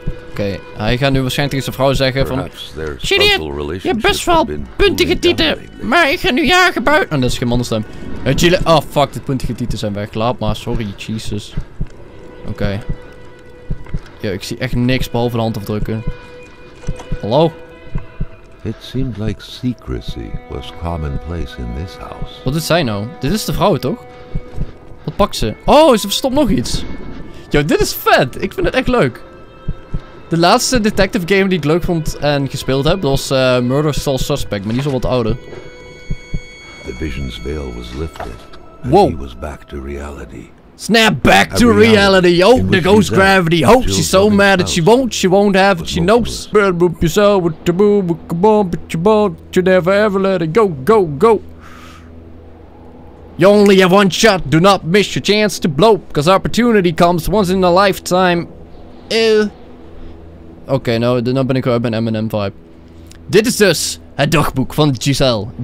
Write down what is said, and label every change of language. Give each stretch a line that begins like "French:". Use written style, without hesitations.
Dutch: Oké, hij gaat nu waarschijnlijk tegen zijn vrouw zeggen van... Chidiot, je hebt best wel puntige tieten, maar ik ga nu jagen buiten... Oh, dat is geen mannenstem. Chidiot, oh fuck, de puntige tieten zijn weg. Laat maar, sorry, Jesus. Oké. Ja, ik zie echt niks behalve de handafdrukken. Hallo?
English: It seemed like secrecy was commonplace in this house.
Dutch: Wat is zij nou? Dit is de vrouw, toch? Wat pakt ze? Oh, ze verstopt nog iets. Yo, dit is vet. Ik vind het echt leuk. De laatste detective game die ik leuk vond en gespeeld heb, was Murder Soul Suspect, maar die is al wat ouder.
English: The vision's veil was lifted, wow. He was back to reality. Snap back to reality. Oh, the ghost gravity. Oh, she's so mad that she won't have it. She knows. Boop yourself with the boob, come on, but you won't. You never ever let it go, go, go. You only have one shot. Do not miss your chance to blow, because opportunity comes once in a lifetime. Ew.
Dutch: Okay, no, dan ben ik ook een Eminem vibe. Dit is dus het dagboek van Giselle.